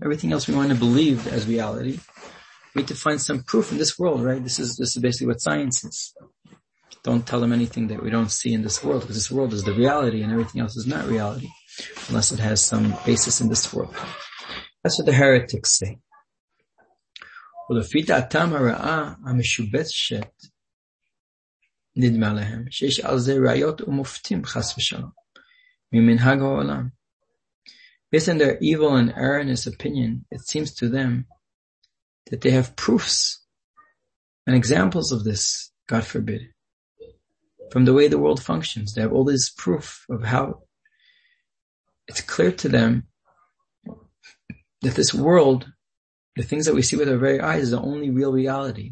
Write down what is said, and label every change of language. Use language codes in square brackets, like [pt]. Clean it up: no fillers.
[en] Everything else we want to believe as reality, we need to find some proof in this world, right? This is basically what science is. Don't tell them anything that we don't see in this world, because this world is the reality and everything else is not reality, unless it has some basis in this world. That's what the heretics say. [he] ולפי דעתם הרעה המשובשת נדמה להם שיש על זה ראיות ומופתים חס ושלום ממנהג העולם. [en] Based on their evil and erroneous opinion, it seems to them that they have proofs and examples of this, God forbid, from the way the world functions. They have all this proof of how it's clear to them that this world, the things that we see with our very eyes, is the only real reality.